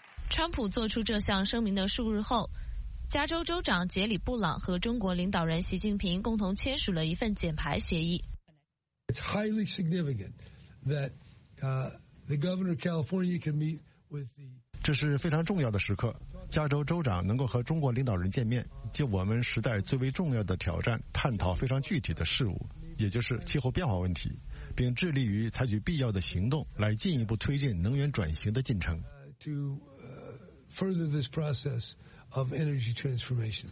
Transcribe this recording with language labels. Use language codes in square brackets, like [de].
[zh] 川普做出这项声明的数日后，加州州长杰里·布朗和中国领导人习近平共同签署了一份减排协议。 [en] It's highly significant that the governor of California can meet with the. [zh] 这是非常重要的时刻，加州州长能够和中国领导人见面，就我们时代最为重要的挑战探讨非常具体的事物，也就是气候变化问题，并致力于采取必要的行动来进一步推进能源转型的进程。 [en] To further this process of energy transformation.